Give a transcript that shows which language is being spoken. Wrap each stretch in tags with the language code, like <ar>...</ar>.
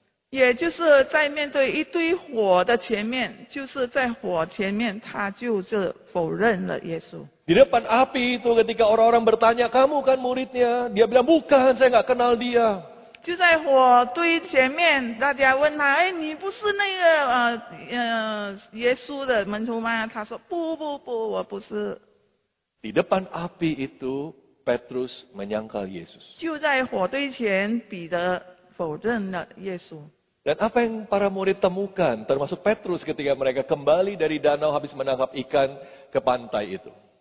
<zh>也就是在面对一堆火的前面，就是在火前面，他就是否认了耶稣。</zh> <id>Di depan api itu ketika orang-orang bertanya, kamu kan muridnya? Dia bilang, bukan, saya enggak kenal dia.</id> <zh>就在火堆前面，大家问他：“哎，你不是那个耶稣的门徒吗？”他说：“不，我不是。”</zh> <id>Di depan api itu Petrus menyangkal Yesus.</id> <zh>就在火堆前，彼得否认了耶稣。</zh> <id>Dan apa yang para murid temukan, termasuk Petrus ketika mereka kembali dari danau habis menangkap ikan ke pantai itu?</id>